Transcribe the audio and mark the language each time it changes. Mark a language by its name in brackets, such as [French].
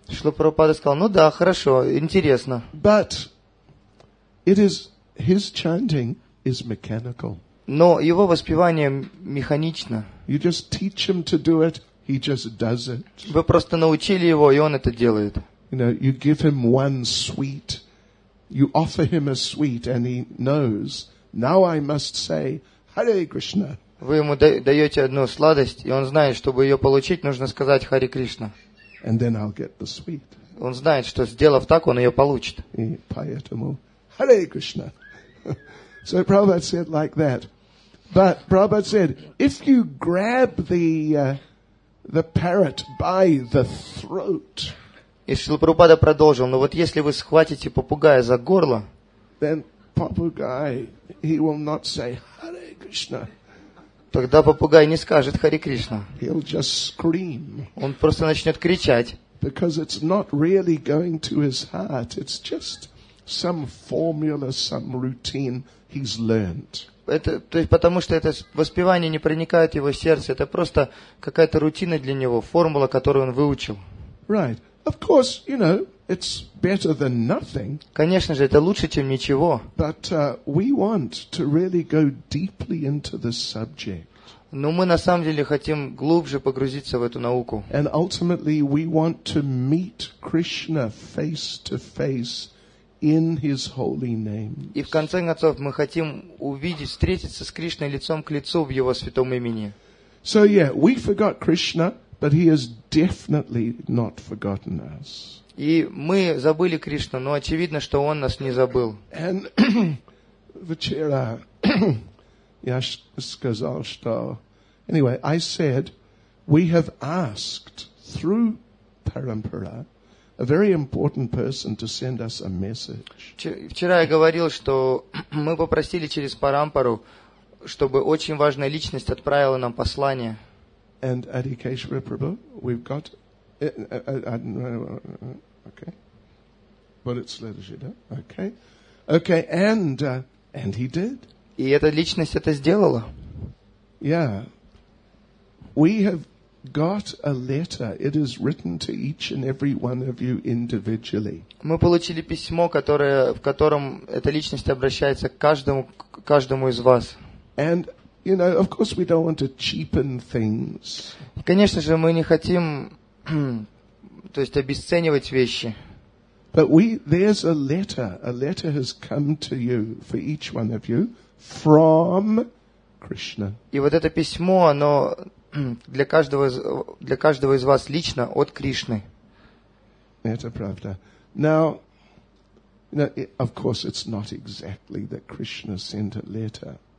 [Russian] Шрила Прабхупада сказал, ну да, хорошо, интересно. [English] But it is his chanting is mechanical. [Russian] Но его воспевание механично. [English] You just teach him to do it, he just does it. [Russian] Вы просто научили его, и он это делает. [English] You know, you give him one sweet. You offer him a sweet, and he knows. Now I must say, Hare Krishna. [Russian] Вы ему даете одну сладость, и он знает, чтобы ее получить, нужно сказать Hare Krishna. [English] And then I'll get the sweet. [Russian] Он знает, что сделав так, он ее получит. И поэтому [English] Hare Krishna. So Prabhupada said like that. But Prabhupada said, if you grab the parrot by the throat. [Russian] И Шрила Прабхупада продолжил, но вот если вы схватите попугая за горло, [English] then попугай, he will not say, Hare Krishna. [Russian] Тогда попугай не скажет Харе Кришна. [English] He'll just scream. [Russian] Он просто начнет кричать. [English] Because it's not really going to his heart. It's just some formula, some routine he's learned. [Russian] Это, то есть, потому что это воспевание не проникает в его сердце, это просто какая-то рутина для него, формула, которую он выучил. [English] Right. Of course, you know, it's better than nothing. [Russian] Конечно же, это лучше, чем ничего. [English] But we want to really go deeply into the subject. [Russian] Но мы на самом деле хотим глубже погрузиться в эту науку. [English] And ultimately we want to meet Krishna face to face in his holy name. [Russian] И в конце концов мы хотим увидеть, встретиться с Кришной лицом к лицу в его святом имени. [English] So yeah, we forgot Krishna, but he has definitely not forgotten us. [Russian] И мы забыли Кришну, но очевидно, что он нас не забыл. And вчера я сказал, что... [English] Anyway, I said, we have asked through Parampara a very important person to send us a message. [Russian] Вчера я говорил, что мы попросили через Парампару, чтобы очень важная личность отправила нам послание. [English] And Adhikeshwara Prabhu, we've got... Okay. But it's Ledajita. Okay. Okay, and he did. [Russian] И эта личность это сделала. [English] Yeah. We have got a letter. It is written to each and every one of you individually. [Russian] Мы получили письмо, которое, в котором эта личность обращается к каждому, из вас. [English] And, you know, of course we don't want to cheapen things. [Russian] Конечно же, мы не хотим, то есть, обесценивать вещи. [English] But we, there's a letter. A letter has come to you, for each one of you, from Krishna. [Russian] И вот это письмо, оно для каждого, из вас лично от Кришны. Это правда. [English] Now, you know, it, of course, it's not exactly that Krishna sent a letter.